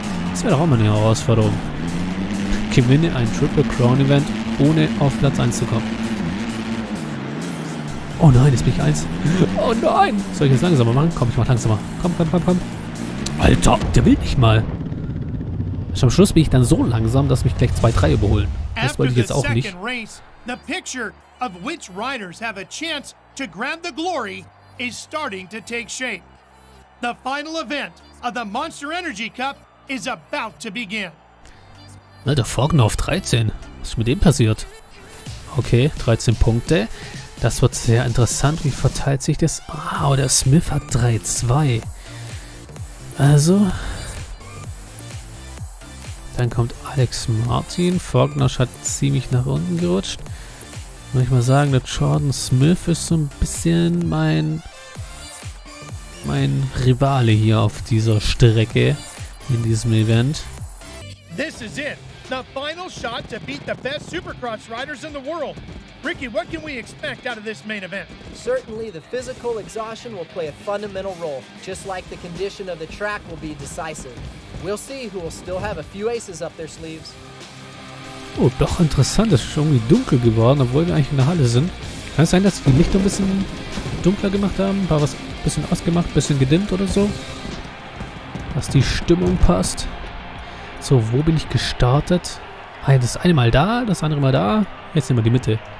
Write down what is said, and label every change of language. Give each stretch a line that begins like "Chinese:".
German: Das wäre doch auch mal eine Herausforderung. Gewinne ein Triple Crown Event, ohne auf Platz 1 zu kommen. Oh nein, jetzt bin ich 1. Oh nein! Soll ich jetzt langsamer machen? Komm, ich mach langsamer. Komm. Alter, der will nicht mal. Am Schluss bin ich dann so langsam, dass mich gleich 2-3 überholen. Das wollte ich jetzt auch nicht.
English: Race, the picture of which riders have a chance to grab the glory is starting to take shape. The final event of the Monster Energy Cup is about to begin.
German: Alter, Faulkner auf 13. Was ist mit dem passiert? Okay, 13 Punkte. Das wird sehr interessant. Wie verteilt sich das? Ah, oh, der Smith hat 3-2. Also. Dann kommt Alex Martin. Faulkner hat ziemlich nach unten gerutscht. Muss ich mal sagen, der Jordan Smith ist so ein bisschen mein Rivale hier auf dieser Strecke in diesem Event.
English: This is it. The final shot to beat the best Supercross riders in the world. Ricky, what can we expect out of this main event? Certainly, the physical exhaustion will play a fundamental role, just like the condition of the track will be decisive. We'll see who will still have a few aces up their sleeves.
German: Oh, doch interessant. Es ist schon irgendwie dunkel geworden, obwohl wir eigentlich in der Halle sind. Kann es sein, dass die Lichter ein bisschen dunkler gemacht haben? Ein paar was ein bisschen ausgemacht, ein bisschen gedimmt oder so? Dass die Stimmung passt. So, wo bin ich gestartet? Das eine Mal da, das andere Mal da. Jetzt nehmen wir die Mitte.